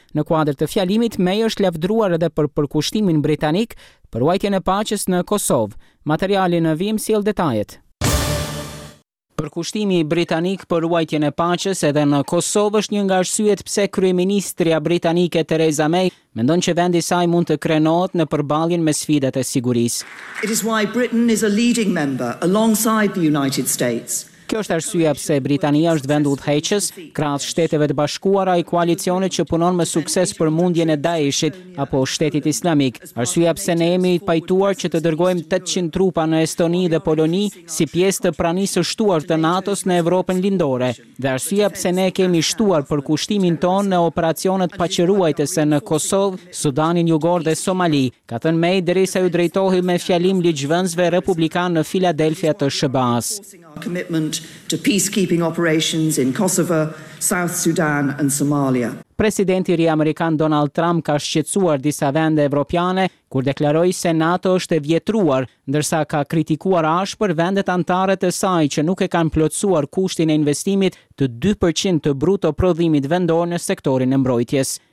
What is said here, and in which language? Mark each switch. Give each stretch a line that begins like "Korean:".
Albanian: Në kuadër të fjalimit, May është lavdruar edhe për përkushtimin britanik për ruajtjen e paqes në Kosovë. Materiali në vim sjell detajet. Përkushtimi britanik për ruajtjen e paqes edhe në Kosovë është një nga arsyet pse kryeministria britanike Theresa May mendon që vendi i saj mund të krenohet në përballjen me sfidat e sigurisë.
English: It is why Britain is a leading member alongside the United States.
Albanian: Kjo është arsyeja pse Britania është vend udhëheqës krahas Shteteve të Bashkuara, i koalicionit që punon me sukses për mundjen e Daeshit apo Shtetit Islamik. Arsyeja pse ne jemi të pajtuar që të dërgojmë 800 trupa në Estoni dhe Poloni si pjesë të pranisë së shtuar të NATO-s në Evropën Lindore, dhe arsyeja pse ne kemi shtuar për kushtimin ton në operacionet paqëruajtëse në Kosovë, Sudanin Jugor dhe Somali, ka thënë May derisa u drejtohi me fjalim ligjvënësve republikan në Filadelfia të SBA-s.
English: To peacekeeping operations in Kosovo, South Sudan and Somalia.
Albanian: Presidenti I ri amerikan Donald Trump ka shqetësuar disa vende evropiane kur deklaroi se NATO është e vjetruar, ndërsa ka kritikuar ashpër vendet anëtare të saj që nuk e kanë plotësuar kushtin e investimit të 2% të bruto prodhimit vendor në sektorin e mbrojtjes.